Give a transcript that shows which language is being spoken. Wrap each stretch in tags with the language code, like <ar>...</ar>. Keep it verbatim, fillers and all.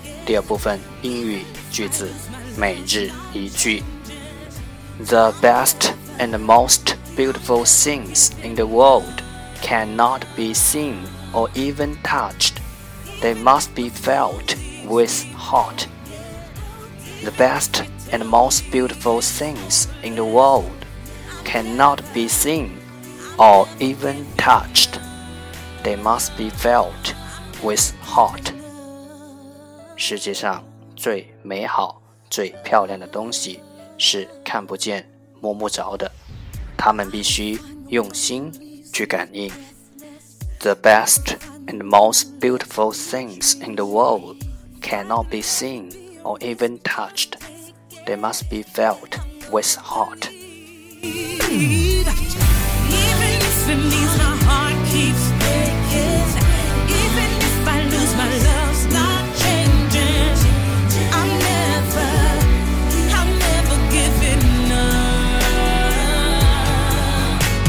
<zh>第二部分英语句子，每日一句。</zh> <en>The best and the most beautiful things in the world cannot be seen or even touched. They must be felt with heart. The best and the most beautiful things in the world cannot be seen or even touched. They must be felt with heart.</en> <zh>世界上最美好、最漂亮的东西是看不见、摸不着的，它们必须用心去感应。</zh> <en>The best and most beautiful things in the world cannot be seen or even touched. They must be felt with heart. Even if it means my heart keeps aching, even if I lose my love's not changing, I'm never, I'm never giving up.</en>